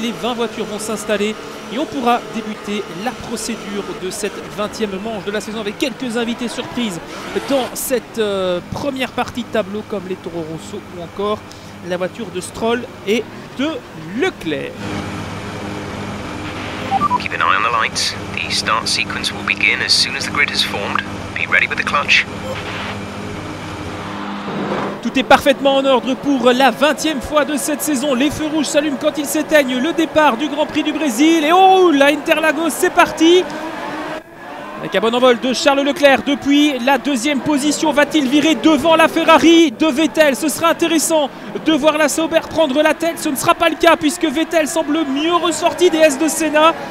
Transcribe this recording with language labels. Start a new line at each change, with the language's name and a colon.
French: Les 20 voitures vont s'installer et on pourra débuter la procédure de cette 20e manche de la saison avec quelques invités surprises dans cette première partie de tableau comme les Toro Rosso ou encore la voiture de Stroll et de Leclerc.
English: Keep an eye on the lights. The start sequence will begin as soon as the grid is formed. Be ready with the clutch.
French: Tout est parfaitement en ordre pour la 20e fois de cette saison. Les feux rouges s'allument quand ils s'éteignent. Le départ du Grand Prix du Brésil. Et on roule à Interlagos, c'est parti. Avec un bon envol de Charles Leclerc depuis la deuxième position. Va-t-il virer devant la Ferrari de Vettel? Ce sera intéressant de voir la Sauber prendre la tête. Ce ne sera pas le cas puisque Vettel semble mieux ressorti des S de Senna.